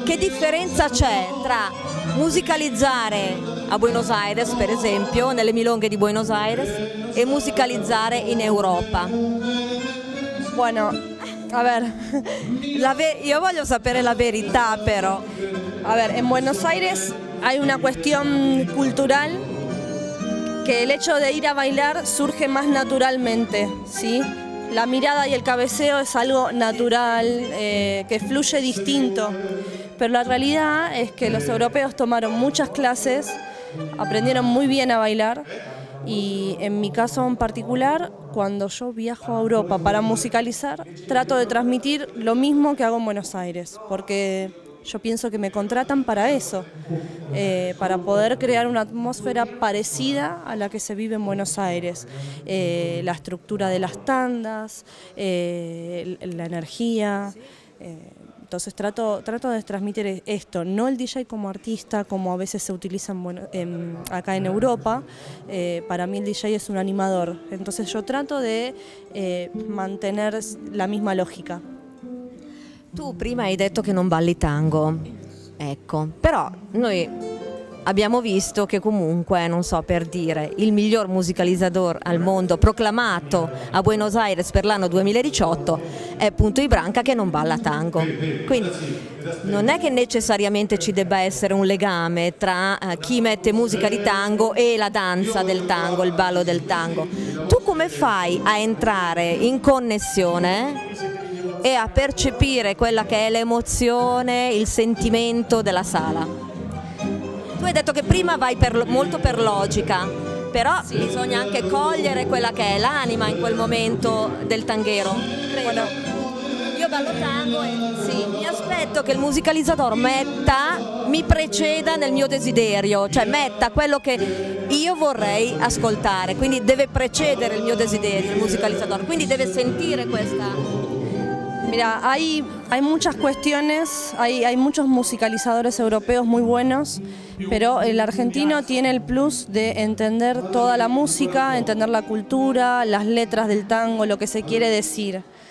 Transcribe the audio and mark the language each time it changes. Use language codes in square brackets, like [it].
[it] Che differenza c'è tra musicalizzare a Buenos Aires, per esempio, nelle milonghe di Buenos Aires, e musicalizzare in Europa? [es] Bueno, a ver, [it] io voglio sapere la verità, però. [es] A ver, in Buenos Aires hay una cuestión cultural que el hecho de ir a bailar surge más naturalmente, ¿sí? La mirada y el cabeceo es algo natural, que fluye distinto. Pero la realidad es que los europeos tomaron muchas clases, aprendieron muy bien a bailar. Y en mi caso en particular, cuando yo viajo a Europa para musicalizar, trato de transmitir lo mismo que hago en Buenos Aires. Porque yo pienso que me contratan para eso, para poder crear una atmósfera parecida a la que se vive en Buenos Aires. La estructura de las tandas, la energía. Entonces trato de transmitir esto, no el DJ como artista, como a veces se utiliza acá en Europa. Para mí el DJ es un animador, entonces yo trato de mantener la misma lógica. [it] Tu prima hai detto che non balli tango, ecco, però noi abbiamo visto che comunque, non so, per dire, il miglior musicalizzador al mondo proclamato a Buenos Aires per l'anno 2018 è appunto Ibranca, che non balla tango. Quindi non è che necessariamente ci debba essere un legame tra chi mette musica di tango e la danza del tango, il ballo del tango. Tu come fai a entrare in connessione e a percepire quella che è l'emozione, il sentimento della sala? Tu hai detto che prima vai molto per logica, però sì, bisogna anche cogliere quella che è l'anima in quel momento del tanghero. Credo. Io ballo tango e sì, mi aspetto che il musicalizzator mi preceda nel mio desiderio, cioè metta quello che io vorrei ascoltare, quindi deve precedere il mio desiderio, il musicalizzator, quindi deve sentire questa... [es] Mira, hay muchas cuestiones, hay muchos musicalizadores europeos muy buenos, pero el argentino tiene el plus de entender toda la música, entender la cultura, las letras del tango, lo que se quiere decir.